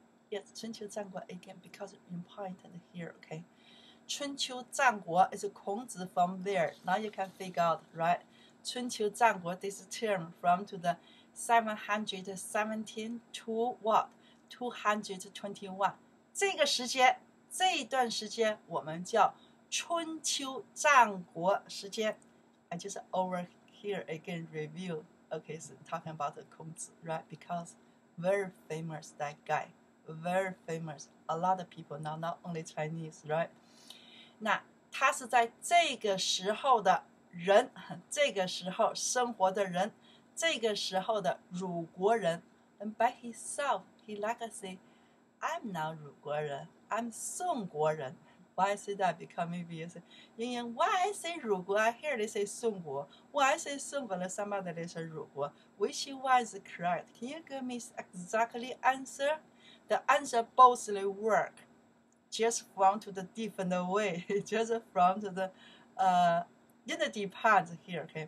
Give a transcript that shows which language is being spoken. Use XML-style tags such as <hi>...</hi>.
<en>Yes, 春秋战国 again because you pointed here, okay? 春秋战国 is 孔子 from there. Now you can figure out, right? 春秋战国 this term from to the 717 to what? 221.</en> <zh>这个时间，这一段时间我们叫春秋战国时间。</zh> <en>I just over here again review. Okay, so talking about the Kongzi, right? Because very famous that guy, very famous. A lot of people now, not only Chinese, right?</en> <zh>那他是在这个时候的人，这个时候生活的人，这个时候的鲁国人。</zh> <en>And by himself, he like say, I'm now 鲁国人，I'm 宋国人。 Why I say that? Because maybe you say, Ying, why I say 鲁国？I hear they say 宋国。 Why I say 宋国？Somebody they say 鲁国。Which one is correct? Can you give me exactly answer? The answer mostly work, just from to the different way, just from to the in the depends here.</en>